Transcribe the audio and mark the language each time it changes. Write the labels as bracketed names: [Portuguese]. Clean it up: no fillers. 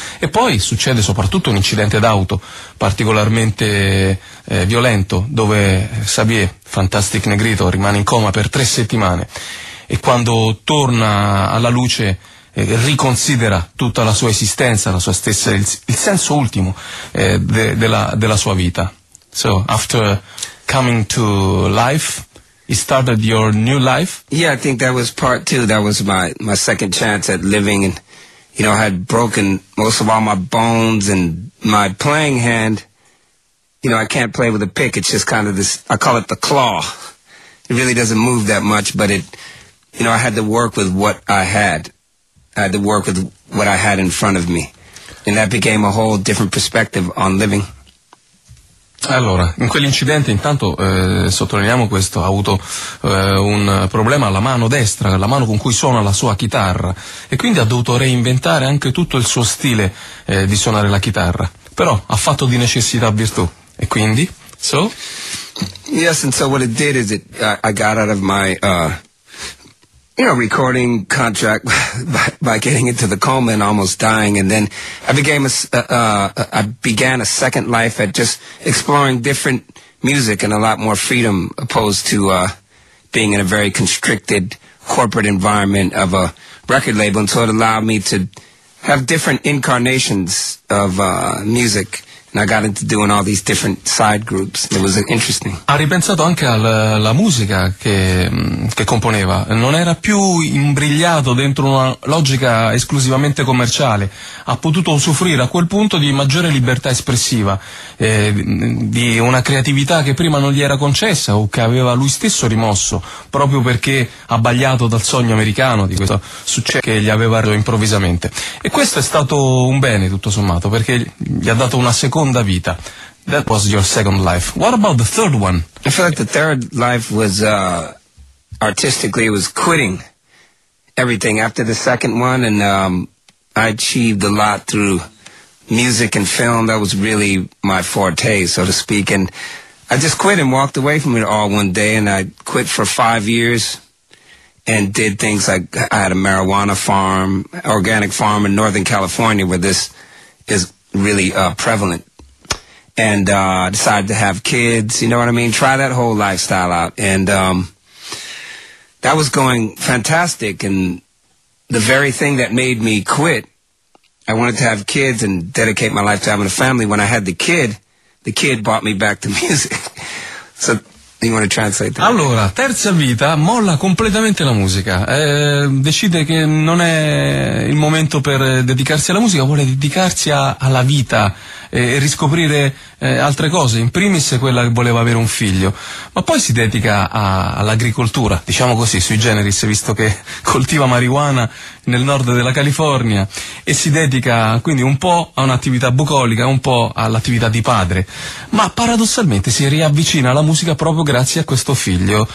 [Italian] E poi succede soprattutto un incidente d'auto particolarmente violento, dove Xavier, Fantastic Negrito, rimane in coma per 3 settimane. E quando torna alla luce riconsidera tutta la sua esistenza, la sua stessa, il senso ultimo della sua vita. [English] So after coming to life, you started your new life. Yeah, I think that was part two. That was my second chance at living, and you know, I had broken most of all my bones and my playing hand. You know, I can't play with a pick. It's just kind of this. I call it the claw. It really doesn't move that much, but it. You know, I had to work with what I had. I had to work with what I had in front of me. And that became a whole different perspective on living. [Italian] Allora, in quell'incidente, intanto, sottolineiamo questo, ha avuto un problema alla mano destra, la mano con cui suona la sua chitarra. E quindi ha dovuto reinventare anche tutto il suo stile di suonare la chitarra. Però ha fatto di necessità virtù. E quindi, so? [English] Yes, and so what it did is it, I got out of my... you know, recording contract by getting into the coma and almost dying. And then I became I began a second life at just exploring different music and a lot more freedom, opposed to being in a very constricted corporate environment of a record label. And so it allowed me to have different incarnations of music. And I got into doing all these different side groups. It was interesting. [Italian] Ha ripensato anche alla musica che componeva. Non era più imbrigliato dentro una logica esclusivamente commerciale. Ha potuto usufruire a quel punto di maggiore libertà espressiva, di una creatività che prima non gli era concessa o che aveva lui stesso rimosso, proprio perché abbagliato dal sogno americano, di questo successo che gli aveva reso improvvisamente. E questo è stato un bene, tutto sommato, perché gli ha dato una seconda vita. [English] That was your second life. What about the third one? I feel like the third life was, artistically, it was quitting everything after the second one, and I achieved a lot through music and film. That was really my forte, so to speak, and I just quit and walked away from it all one day, and I quit for 5 years and did things like I had a marijuana farm, organic farm in Northern California, where this is really prevalent, and decided to have kids, you know what I mean, try that whole lifestyle out, and that was going fantastic. And the very thing that made me quit, I wanted to have kids and dedicate my life to having a family. When I had the kid brought me back to music. So you want to translate that? [Italian] Allora, terza vita, molla completamente la musica, decide che non è il momento per dedicarsi alla musica, vuole dedicarsi alla vita e riscoprire altre cose, in primis quella che voleva avere un figlio, ma poi si dedica all'agricoltura, diciamo così, sui generis, visto che coltiva marijuana nel nord della California, e si dedica quindi un po' a un'attività bucolica, un po' all'attività di padre, ma paradossalmente si riavvicina alla musica proprio grazie a questo figlio.